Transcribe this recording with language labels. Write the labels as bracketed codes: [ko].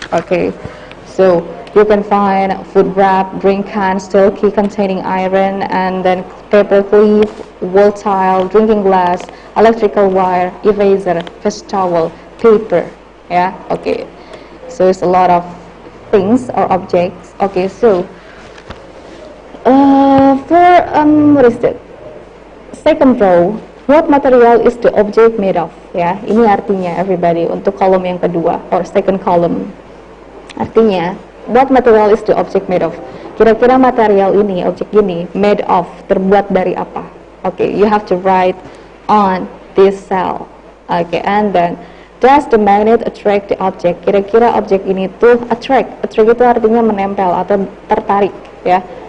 [en] Okay, so you can find food wrap, drink can, steel key containing iron, and then paper clip, wall tile, drinking glass, electrical wire, eraser, face towel, paper. Yeah. Okay. So it's a lot of things or objects. Okay. So. What is it? Second row, what material is the object made of? [id] Ya, ini artinya everybody untuk kolom yang kedua [en] or second column. [id] Artinya, [en] what material is the object made of? [id] Kira-kira material ini, objek ini, [en] made of, [id] terbuat dari apa? [en] Okay, you have to write on this cell. Okay, and then does the magnet attract the object? [id] Kira-kira objek ini tuh attract. Attract itu artinya menempel atau tertarik, ya.